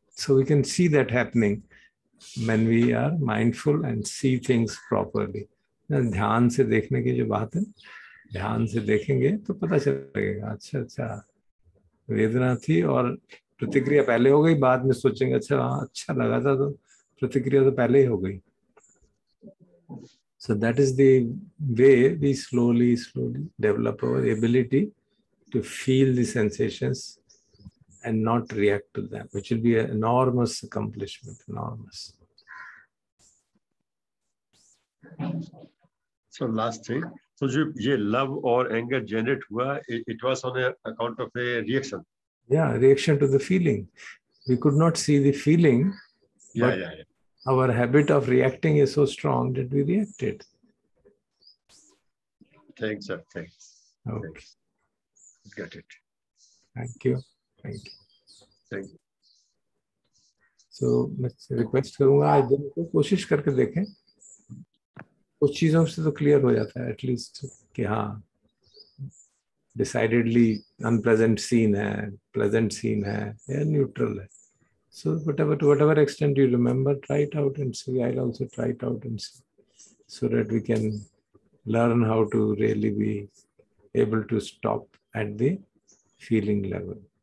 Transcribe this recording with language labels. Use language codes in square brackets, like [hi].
[en] So we can see that happening when we are mindful and see things properly. [hi] ध्यान से देखने की जो बात है, ध्यान से देखेंगे तो पता चलेगा अच्छा अच्छा वेदना थी और प्रतिक्रिया पहले हो गई, बाद में सोचेंगे अच्छा हाँ अच्छा लगा था तो प्रतिक्रिया तो पहले ही हो गई. [en] So that is the way we slowly, slowly develop our ability to feel the sensations and not react to them, which will be an enormous accomplishment, enormous. So last thing, so ye love or anger generate hua, it was on account of a reaction. Yeah, reaction to the feeling. We could not see the feeling. Yeah. Our habit of reacting is so strong that we reacted. Thanks, sir. Thanks. Okay. Thanks. Got it. Thank you. Thank you. Thank you. So, let's request [hi] करूँगा आज दिन को कोशिश करके देखें. कुछ चीजों से तो clear हो जाता है at least कि हाँ decidedly unpleasant scene है, pleasant scene है या neutral है. [en] So whatever extent you remember, try it out and see. I'll also try it out and see, so that we can learn how to really be able to stop at the feeling level.